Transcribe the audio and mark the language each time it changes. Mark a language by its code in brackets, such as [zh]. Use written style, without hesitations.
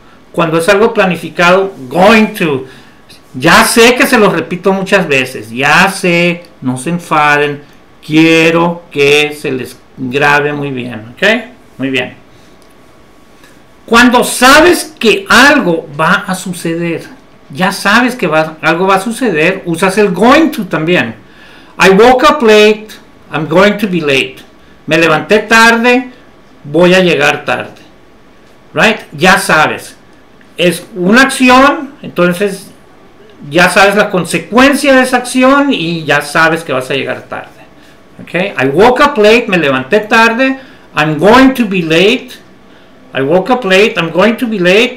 [es] Cuando es algo planificado, going to. Ya sé que se los repito muchas veces, ya sé, no se enfaden, quiero que se les grabe muy bien, ¿ok? Muy bien. Cuando sabes que algo va a suceder, ya sabes que algo va a suceder, usas el going to también. [en] I woke up late, I'm going to be late. [es] Me levanté tarde, voy a llegar tarde. Right? Ya sabes. Es una acción, entonces... ya sabes la consecuencia de esa acción y ya sabes que vas a llegar tarde. [en] Okay? I woke up late, [es] me levanté tarde. [en] I'm going to be late. I woke up late, I'm going to be late.